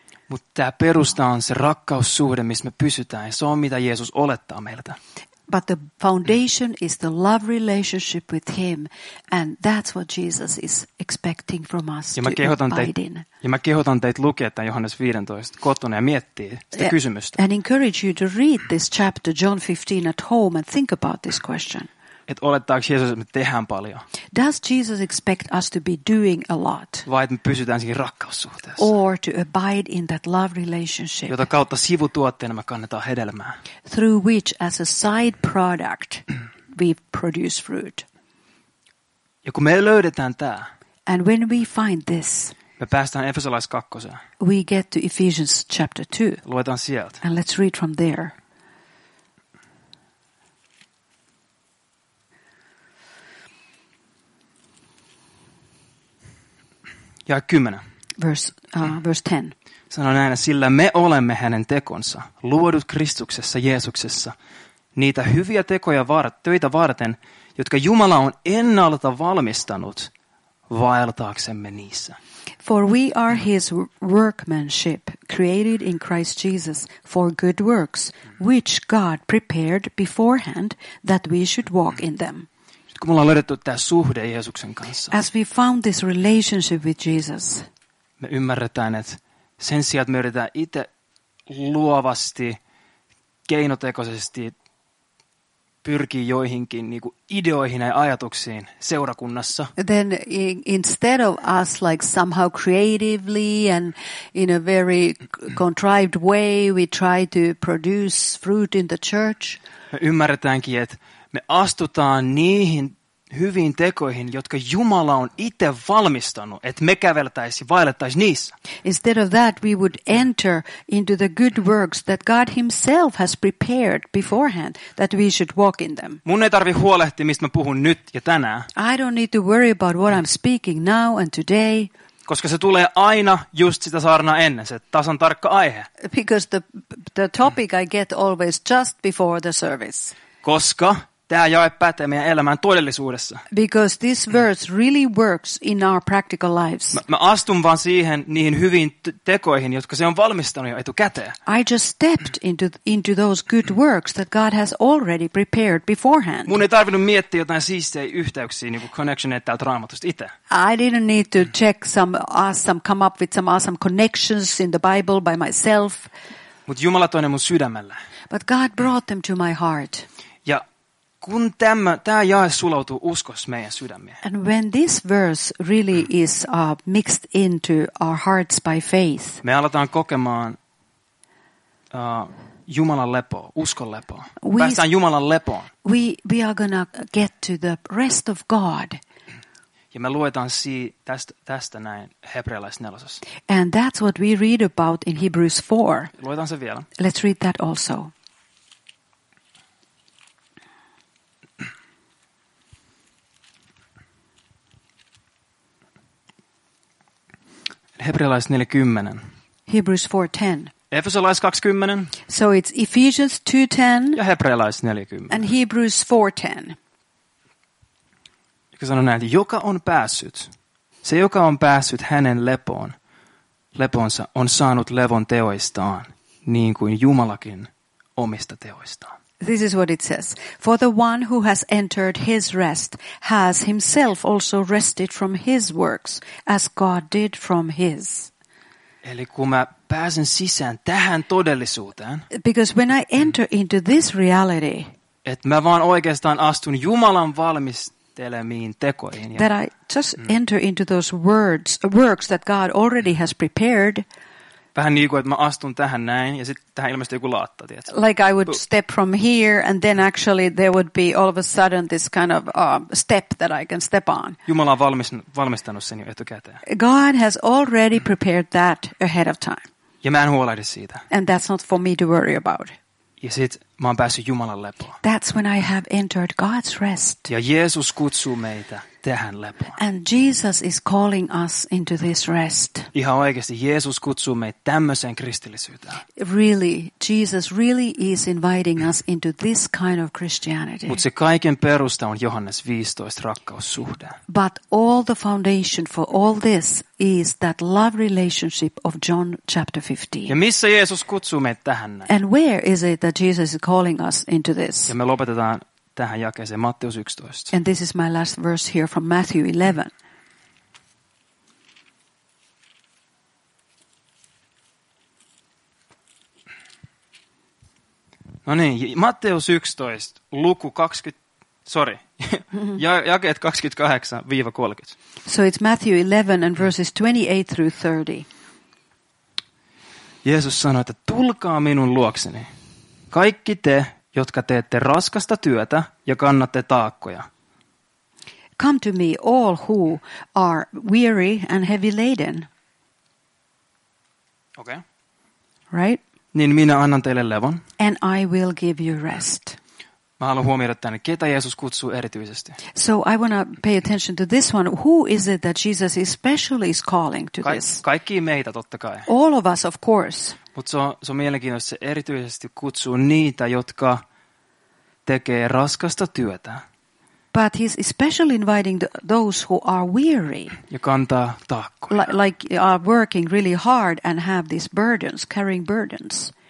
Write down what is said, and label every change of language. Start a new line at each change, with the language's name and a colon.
Finnish: Mutta perusta on se rakkaussuhde, missä me pysytään. Ja se on mitä Jeesus olettaa meiltä.
English: But the foundation is the love relationship with him, and that's what Jesus is expecting from us to abide in.
Finnish: Ja mä kehotan teitä lukea tämän Johannes 15 kotona ja miettiä sitä kysymystä.
English: And encourage you to read this chapter, John 15, at home and think about this question.
Finnish: Et olettaako Jeesus, että me tehdään paljon?
English: Does Jesus expect us to be doing a lot?
Finnish: Vai että me pysytään siinä rakkaussuhteessa?
English: Or to abide in that love relationship?
Finnish: Jota kautta sivutuotteena me kannetaan hedelmää.
English: Through which as a side product we produce fruit.
Finnish: Ja kun me löydetään tämä.
English: And when we find this.
Finnish: Me päästään Efesolais kakkoseen.
English: We get to Ephesians chapter 2.
Finnish: Luetaan sieltä.
English: And let's read from there.
Finnish: Ja 10.
English: Verse 10.
Finnish: Sano näin, sillä me olemme hänen tekonsa, luodut Kristuksessa Jeesuksessa, niitä hyviä tekoja töitä varten, jotka Jumala on ennalta valmistanut vaeltaaksemme niissä.
English: For we are his workmanship, created in Christ Jesus for good works, which God prepared beforehand that we should walk in them.
Finnish: Kun me ollaan löydetty tämä suhde Jeesuksen kanssa.
English: As we found this relationship with Jesus.
Finnish: Me ymmärretään, että sen sijaan, että me yritetään itse luovasti, keinotekoisesti pyrkiä joihinkin niin kuin ideoihin ja ajatuksiin seurakunnassa.
English: Then instead of us like somehow creatively and in a very contrived way, we try to produce fruit in the church.
Finnish: Me ymmärretäänkin, että me astutaan niihin hyviin tekoihin, jotka Jumala on itse valmistanut, että me käveltäisiin, vaellettaisiin niissä.
English: Instead of that, we would enter into the good works that God himself has prepared beforehand, that we should walk in them.
Finnish: Mun ei tarvi huolehtia, mistä mä puhun nyt ja tänään.
English: I don't need to worry about what I'm speaking now and today.
Finnish: Koska se tulee aina just sitä saarnaa ennen, se tasan tarkka aihe.
English: Because the topic I get always just before the service.
Finnish: Koska tämä jae pätee meidän elämään todellisuudessa.
English: Because this verse really works in our practical lives.
Finnish: Mä astun vaan siihen niihin hyviin tekoihin, jotka se on valmistanut jo etukäteen.
English: I just stepped into those good works that God has already prepared beforehand.
Finnish: Mun ei tarvinnut miettiä jotain siistejä yhteyksiä, niin kuin connectioneet täältä Raamatusta itse.
English: I didn't need to check come up with some awesome connections in the Bible by myself.
Finnish: Mut Jumala toi ne mun sydämelle.
English: But God brought them to my heart.
Finnish: Ja kun tämä jae sulautuu uskossa meidän sydämiin.
English: And when this verse really is mixed into our hearts by faith.
Finnish: Me aletaan kokemaan Jumalan lepoa, uskon lepoa. Päästään Jumalan lepoon.
English: We are gonna get to the rest of God.
Finnish: Ja me luetaan tästä näin hebrealais nelosessa.
English: And that's what we read about in Hebrews 4.
Finnish: Luetaan se vielä.
English: Let's read that also.
Finnish: Hebrealais 4:10.
English: Hebrews 4:10.
Finnish: Efesolais 2:10.
English: So it's Ephesians 2:10.
Finnish: Ja hebrealais 4:10.
English: And Hebrews 4:10.
Finnish: Joka sanoo näin, että joka on päässyt, se joka on päässyt hänen leponsa on saanut levon teoistaan, niin kuin Jumalakin omista teoistaan.
English: This is what it says. For the one who has entered his rest has himself also rested from his works, as God did from his.
Finnish: Eli kun mä pääsen sisään tähän todellisuuteen.
English: Because when I enter into this reality.
Finnish: Et mä vaan oikeastaan astun Jumalan valmistelemiin tekoihin.
English: That I just enter into those works that God already has prepared.
Finnish: Vähän niin kuin, että mä astun tähän näin, ja sitten tähän ilmestyy joku laatta, tiedätkö?
English: Like I would step from here, and then actually there would be all of a sudden this kind of step that I can step on.
Finnish: Jumala on valmistanut sen jo etukäteen.
English: God has already prepared that ahead of time.
Finnish: Ja mä en huolehdi siitä.
English: And that's not for me to worry about.
Finnish: Ja sitten mä oon päässyt Jumalan lepoon.
English: That's when I have entered God's rest.
Finnish: Ja Jeesus kutsuu meitä tähän lepoon.
English: And Jesus is calling us into this rest.
Finnish: Ihan oikeasti Jeesus kutsuu meitä tämmöiseen kristillisyyteen.
English: Really, Jesus really is inviting us into this kind of Christianity.
Finnish: Mutta se kaiken perusta on Johannes 15 rakkaussuhde.
English: But all the foundation for all this is that love relationship of John chapter 15.
Finnish: Ja missä Jeesus kutsuu meitä tähän?
English: And where is it that Jesus is calling us into this?
Finnish: Ja me lopetetaan tähän jakeeseen Matteus 11.
English: And this is my last verse here from Matthew 11.
Finnish: No niin, Matteus 11 luku 20
English: sorry.
Finnish: Jakeet 28-30.
English: So it's Matthew 11 and verses 28 through 30.
Finnish: Jeesus sanoi, että tulkaa minun luokseni. Kaikki te, jotka teette raskasta työtä ja kannatte taakkoja.
English: Come to me all who are weary and heavy laden. Okay. Right?
Finnish: Niin minä annan teille levon.
English: And I will give you rest.
Finnish: Mä haluan huomioida tänne, ketä Jeesus kutsuu erityisesti.
English: So I want to pay attention to this one. Who is it that Jesus especially is calling to this?
Finnish: Kaikki meitä totta kai.
English: All of us, of course.
Finnish: Mutta se on mielenkiintoista, se erityisesti kutsuu niitä, jotka tekee raskasta työtä.
English: But he's especially inviting those who are weary.
Finnish: Ja kantaa taakkoja.
English: Like are working really hard and have these burdens, carrying burdens.